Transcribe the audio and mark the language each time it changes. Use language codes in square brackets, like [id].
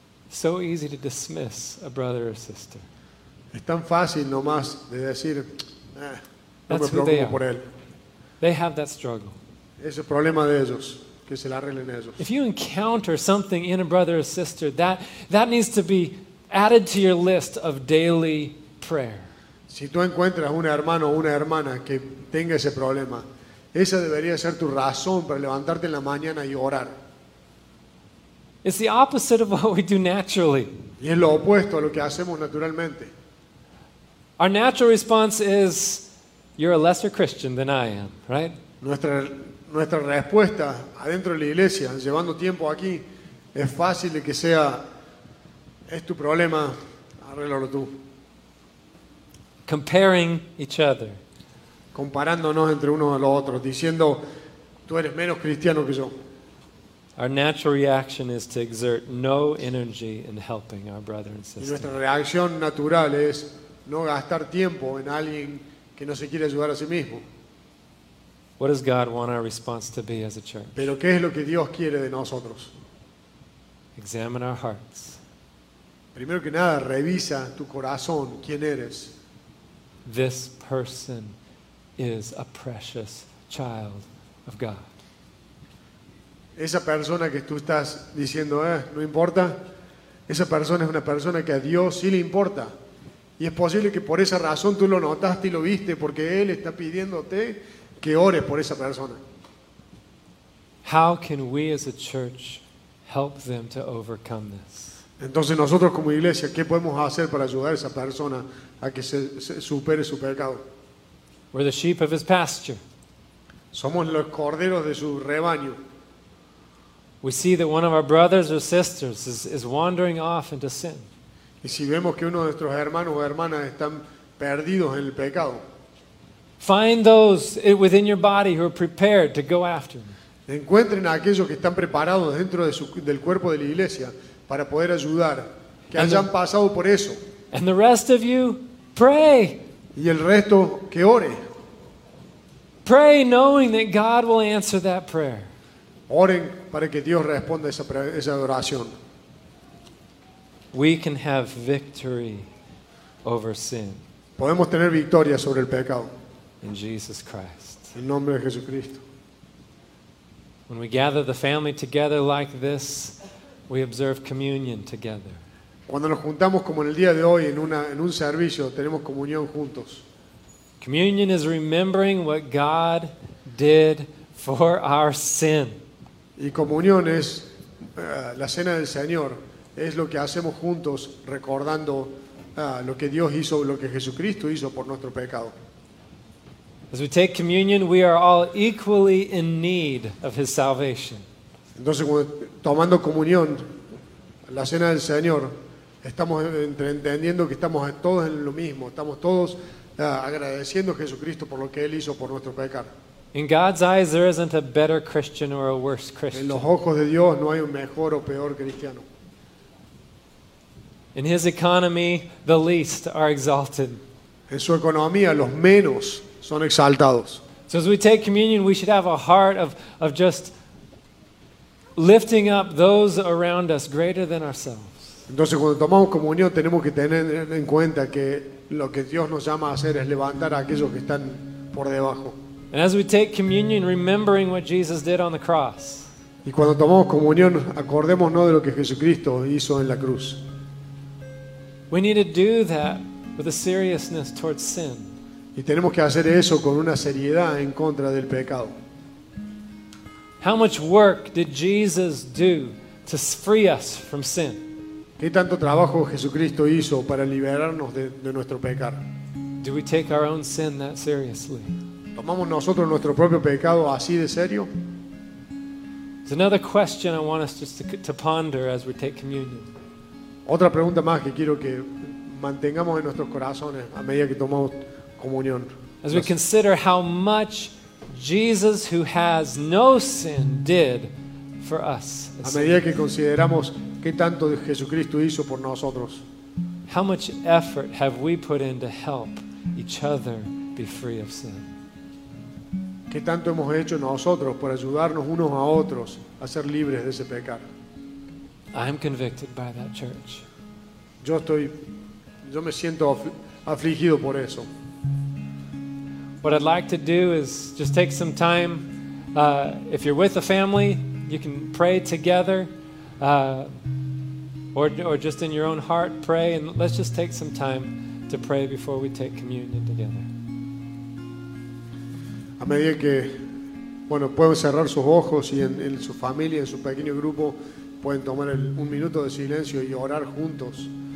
[en] So easy to dismiss a brother or sister. [es] Es tan fácil nomás de decir, no me preocupo por él. [en] They have that struggle. [es] Es el problema de ellos, que se la arreglen ellos. [en] If you encounter something in a brother or sister, that needs to be added to your list of daily prayer. [es] Si tú encuentras un hermano o una hermana que tenga ese problema, esa debería ser tu razón para levantarte en la mañana y orar. [en] It's the opposite of what we do naturally. [es] Y es lo opuesto a lo que hacemos naturalmente. [en] Our natural response is, "You're a lesser Christian than I am," right? [es] Nuestra respuesta adentro de la iglesia, llevando tiempo aquí, es fácil de que sea, es tu problema, arréglalo tú. [en] Comparing each other. [es] Comparándonos entre uno a los otros, diciendo, tú eres menos cristiano que yo. [en] Our natural reaction is to exert no energy in helping our brother and sister. [es] Y nuestra reacción natural es no gastar tiempo en alguien que no se quiere ayudar a sí mismo. [en] What does God want our response to be as a church? [es] Pero ¿qué es lo que Dios quiere de nosotros? [en] Examine our hearts. [es] Primero que nada, revisa tu corazón, quién eres. [en] This person is a precious child of God. [es] Esa persona que tú estás diciendo, no importa, esa persona es una persona que a Dios sí le importa. Y es posible que por esa razón tú lo notaste y lo viste, porque Él está pidiéndote que ores por esa persona. [en] How can we as a church help them to overcome this? [es] Entonces nosotros como iglesia, ¿qué podemos hacer para ayudar a esa persona a que se supere su pecado? [en] We're the sheep of his pasture. [es] Somos los corderos de su rebaño. [en] We see that one of our brothers or sisters is wandering off into sin. [es] Y si vemos que uno de nuestros hermanos o hermanas están perdidos en el pecado. [en] Find those within your body who are prepared to go after them. [es] Encuentren a aquellos que están preparados dentro de del cuerpo de la iglesia para poder ayudar, que hayan pasado por eso. [en] And the rest of you, pray. [es] Y el resto, que ore. [en] Pray knowing that God will answer that prayer. [es] Oren para que Dios responda esa oración. [en] We can have victory over sin. [es] Podemos tener victoria sobre el pecado. [en] In Jesus Christ. [es] En nombre de Jesucristo. [en] When we gather the family together like this, We observe communion together. [es] Cuando nos juntamos como en el día de hoy en un servicio, tenemos comunión juntos. [en] Communion is remembering what God did for our sin. [es] Y comunión es la cena del Señor, es lo que hacemos juntos recordando lo que Dios hizo, lo que Jesucristo hizo por nuestro pecado. [en] As we take communion, we are all equally in need of His salvation. [es] Entonces, tomando comunión, la cena del Señor, estamos entendiendo que estamos todos en lo mismo, estamos todos agradeciendo a Jesucristo por lo que Él hizo por nuestro pecado. [en] In God's eyes, there isn't a better Christian or a worse Christian. [es] En los ojos de Dios no hay un mejor o peor cristiano. [en] In His economy, the least are exalted. [es] En su economía, los menos son exaltados. [en] So as we take communion, we should have a heart of just lifting up those around us greater than ourselves. [es] Entonces, cuando tomamos comunión, tenemos que tener en cuenta que lo que Dios nos llama a hacer es levantar a aquellos que están por debajo. [en] And as we take communion, remembering what Jesus did on the cross. [es] Y cuando tomamos comunión, acordémonos de lo que Jesucristo hizo en la cruz. [en] We need to do that with a seriousness towards sin. [es] Y tenemos que hacer eso con una seriedad en contra del pecado. [en] How much work did Jesus do to free us from sin? [es] ¿Qué tanto trabajo Jesucristo hizo para liberarnos de nuestro pecado? [en] Do we take our own sin that seriously? [es] ¿Tomamos nosotros nuestro propio pecado así de serio? [en] It's another question I want us just to ponder as we take communion. [es] Otra pregunta más que quiero que mantengamos en nuestros corazones a medida que tomamos comunión. [en] As we consider how much Jesus, who has no sin, did for us. [es] A medida que consideramos qué tanto Jesucristo hizo por nosotros. [en] How much effort have we put in to help each other be free of sin? [es] ¿Qué tanto hemos hecho nosotros por ayudarnos unos a otros a ser libres de ese pecado? [en] I'm convicted by that, church. [es] Yo me siento afligido por eso. [en] What I'd like to do is just take some time. If you're with a family, you can pray together, or just in your own heart, pray, and let's just take some time to pray before we take communion together. [es] A medida que, bueno, pueden cerrar sus ojos y en su familia, en su pequeño grupo, pueden tomar un minuto de silencio y orar juntos.